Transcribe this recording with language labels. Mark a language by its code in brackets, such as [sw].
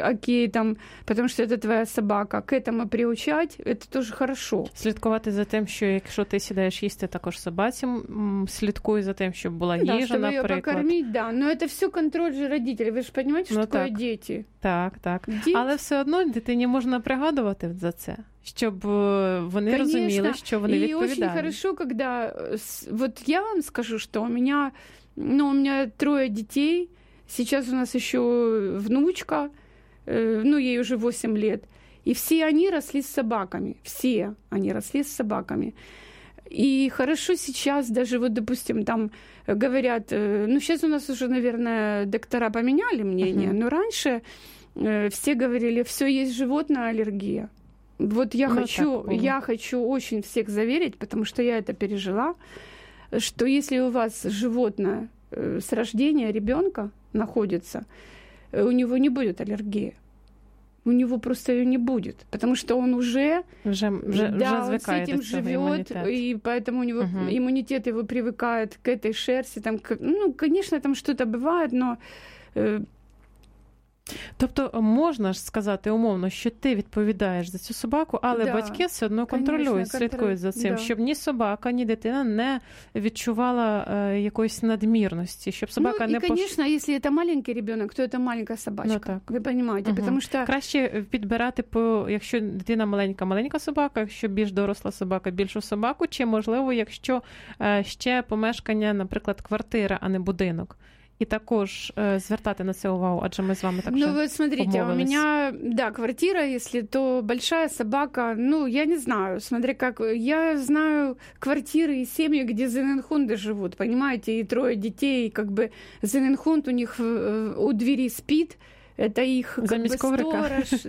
[ru] окей, там, потому что это твоя собака. К этому приучать, это тоже хорошо. [uk] Слідкувати [ru] за тем, что, если ты сидаешь [uk] їсти також собаці, слідкуй [ru] за тем, чтобы была [uk] їжа, наприклад. [ru] Да, чтобы ее покормить, да. Но это все контроль же родителей. Вы же понимаете, что такое дети? Так, так. Дети? [uk] Але все одно дитині можна пригадувати за це, щоб вони [ru] конечно. [uk] Розуміли, що вони відповідальні. І дуже [ru] хорошо, когда... Вот я вам скажу, что у меня... Ну, у меня трое детей, сейчас у нас еще внучка, ну, ей уже 8 лет, и все они росли с собаками, все они росли с собаками. И хорошо сейчас даже, вот, допустим, там говорят, ну, сейчас у нас уже, наверное, доктора поменяли мнение, uh-huh. но раньше все говорили, все, есть животная аллергия. Вот я, ну, хочу, так, я хочу очень всех заверить, потому что я это пережила, что если у вас животное с рождения ребенка находится, у него не будет аллергии. У него просто ее не будет, потому что он уже он с этим живет, и поэтому у него uh-huh. иммунитет его привыкает к этой шерсти. Там, ну, конечно, там что-то бывает, но [uk] Тобто можна ж сказати умовно, що ти відповідаєш за цю собаку, але [ru] да. [uk] батьки все одно контролюють, слідкують за цим, да. щоб ні собака, ні дитина не відчувала якоїсь надмірності, щоб собака не... Ну, і, звісно, якщо це маленький дитина, то це маленька собачка. Ну, так. Ви розумієте? Угу. [ru] Потому что... [uk] Краще підбирати, по, якщо дитина маленька, маленька собака, якщо більш доросла собака, більшу собаку, чи, можливо, якщо ще помешкання, наприклад, квартира, а не будинок. И також звертати на це увагу, адже ми з вами [ru] так же. Ну, вот смотрите, [uk] умовились. [ru] У меня, да, квартира, если то большая собака, ну, я не знаю, смотри как, я знаю квартиры и семьи, где зененхунды живут, понимаете, и трое детей, и как бы зененхунд у них у двери спит, это их как бы сторож.